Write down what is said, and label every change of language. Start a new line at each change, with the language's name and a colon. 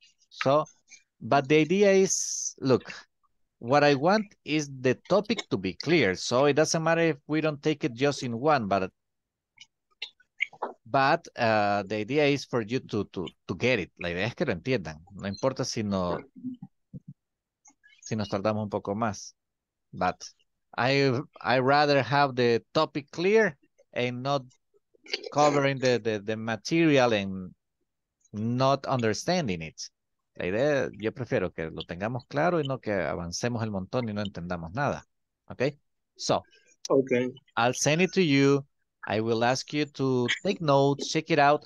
English: So, but the idea is, look, what I want is the topic to be clear. So it doesn't matter if we don't take it just in one, but the idea is for you to get it.
Spanish: La idea es que lo entiendan. No importa si nos tardamos un poco más.
English: But I rather have the topic clear and not covering the material and not understanding it.
Spanish: La idea, yo prefiero que lo tengamos claro y no que avancemos el montón y no entendamos nada.
English: Okay? So, okay. I'll send it to you. I will ask you to take notes, check it out.